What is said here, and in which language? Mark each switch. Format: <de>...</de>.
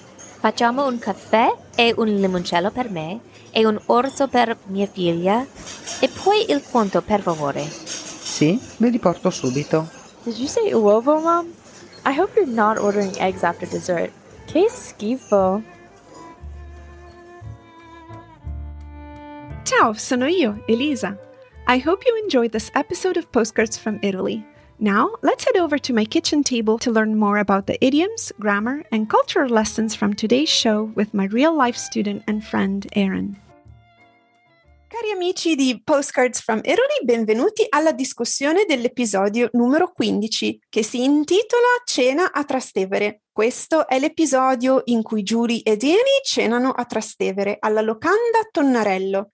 <it>Facciamo un caffè e un limoncello per me e un orzo per mia figlia e poi il conto, per favore. Sì, ve li porto subito.</it> <en>Did you say uovo, Mom? I hope you're not ordering eggs after dessert.</en> <it>Che schifo. Ciao, sono io, Elisa.</it> <en>I hope you enjoyed this episode of Postcards from Italy. Now, let's head over to my kitchen table to learn more about the idioms, grammar, and cultural lessons from today's show with my real-life student and friend, Erin.</en> <it>Cari amici di Postcards from Italy, benvenuti alla discussione dell'episodio numero 15, che si intitola Cena a Trastevere. Questo è l'episodio in cui Julie ed Amy cenano a Trastevere, alla locanda Tonnarello.</it>